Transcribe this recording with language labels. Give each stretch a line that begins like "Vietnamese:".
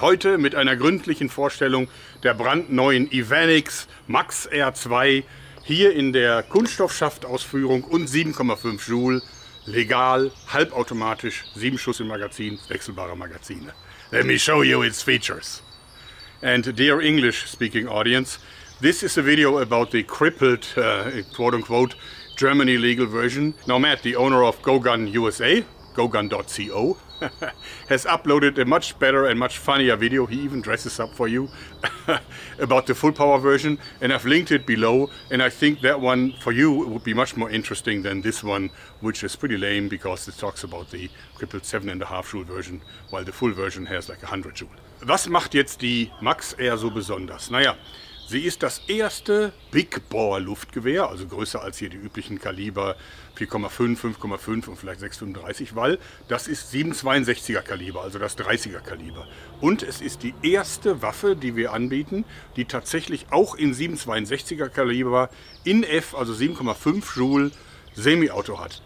German: Heute mit einer gründlichen Vorstellung der brandneuen Evanix Max R2 hier in der Kunststoffschaftausführung und 7,5 Joule, legal, halbautomatisch, 7 Schuss im Magazin, wechselbare Magazine.
English: Let me show you its features. And dear English speaking audience, this is a video about the crippled, quote unquote, Germany legal version. Now Matt, the owner of GoGun USA, gogun.co, has uploaded a much better and much funnier video. He even dresses up for you about the full power version, and I've linked it below, and I think that one for you would be much more interesting than this one, which is pretty lame because it talks about the crippled 7.5 Joule version, while the full version has like 100 Joule.
German: Was macht jetzt die Max Air so besonders? Naja, sie ist das erste Big Bore Luftgewehr, also größer als hier die üblichen Kaliber 4,5, 5,5 und vielleicht 6,35, weil das ist 7,62er Kaliber, also das 30er Kaliber. Und es ist die erste Waffe, die wir anbieten, die tatsächlich auch in 7,62er Kaliber in F, also 7,5 Joule, Semi-Auto hat.